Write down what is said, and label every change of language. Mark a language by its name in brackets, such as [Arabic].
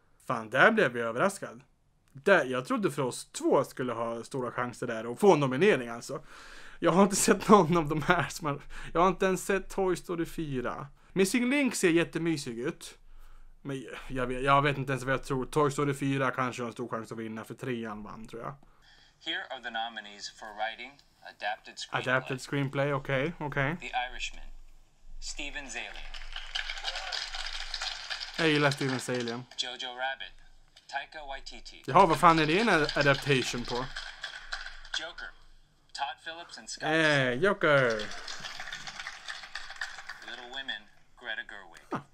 [Swedish] Fan, där blev jag överraskad. Där, jag trodde Frost 2 skulle ha stora chanser där och få en nominering alltså. Jag har inte sett någon av de här. Jag har inte ens sett Toy Story 4. Missing Link ser jättemysig ut. Men jag vet inte ens vad jag tror. Toy Story 4 kanske har en stor chans att vinna, för trean vann, tror jag. [English] Here are the nominees for writing, adapted screenplay. [Swedish] Adapted screenplay, okej. [English] The Irishman, Steven Zaillian. [Swedish] Jag gillar Steven Zaillian. [English] Jojo Rabbit, Taika Waititi. [Swedish] Jaha, vad fan är det en adaptation på? [English] Joker. Todd Phillips and Scott. Joker. Little Women, Greta Gerwig.